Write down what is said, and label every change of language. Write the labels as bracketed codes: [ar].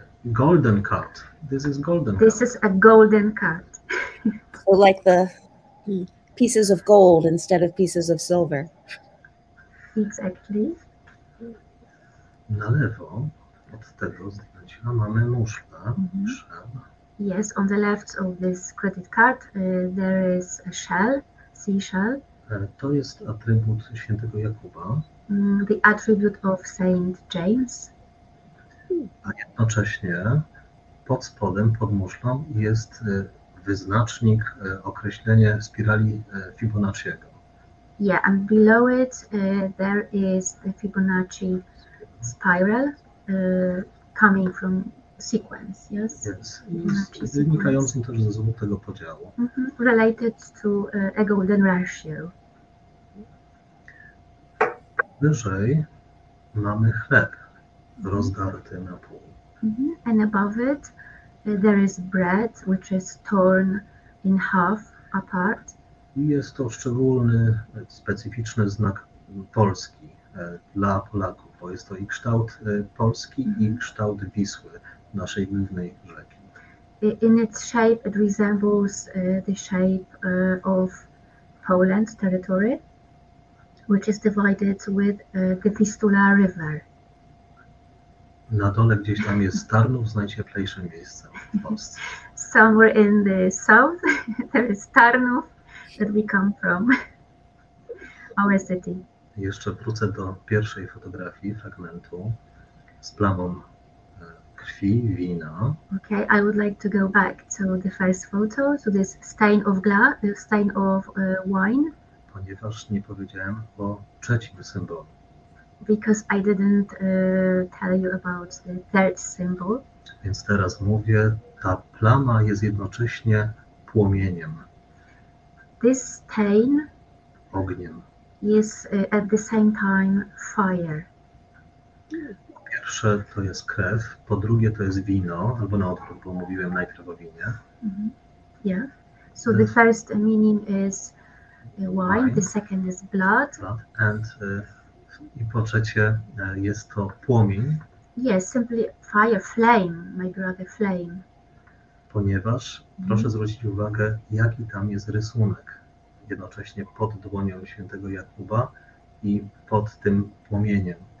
[en] Golden card. This is golden This card. Is a golden card. So like the... pieces of gold instead of pieces of silver. Exactly. [pl] Na lewo od tego zdjęcia mamy muszlę. Mm-hmm. [en] Yes, on the left of this credit card there is a shell, seashell. [pl] To jest atrybut Świętego Jakuba. [en] The attribute of Saint James. [pl] A jednocześnie pod spodem, pod muszlą jest wyznacznik, określenie spirali Fibonacciego. [en] Yeah, and below it there is the Fibonacci spiral coming from sequence, yes? [pl] Yes, wynikającym też ze złotego podziału. [en] Mm-hmm. Related to a golden ratio. [pl] Wyżej mamy chleb rozdarty na pół. Mm-hmm. [en] And above it there is bread, which is torn in half apart. [pl] Jest to szczególny, specyficzny znak polski dla Polaków, bo jest to i kształt polski, mm-hmm. i kształt Wisły, naszej głównej rzeki. [en] In its shape, it resembles the shape of Poland territory, which is divided with the Vistula River. [pl] Na dole gdzieś tam jest Tarnów z najcieplejszym miejscem w Polsce. [en] Somewhere in the south, there is Tarnów, that we come from, our city. [pl] Jeszcze wrócę do pierwszej fotografii, fragmentu, z plamą krwi, wina. [en] Okay, I would like to go back to the first photo, to this stain of glass, stain of wine. [pl] Ponieważ nie powiedziałem o trzecim symbolu. [en] Because I didn't tell you about the third symbol. [pl] Więc teraz mówię, ta plama jest jednocześnie płomieniem. [en] This stain [pl] ogniem [en] is at the same time fire. [pl] Po pierwsze to jest krew, po drugie to jest wino, albo na odwrót, bo mówiłem najpierw o winie. [en] Mm-hmm. Yeah. So the first meaning is wine, the second is blood. And [pl] I po trzecie, jest to płomień. [en] Yes, simply fire, flame, my brother, flame. [pl] Ponieważ, proszę zwrócić uwagę, jaki tam jest rysunek. Jednocześnie pod dłonią świętego Jakuba i pod tym płomieniem.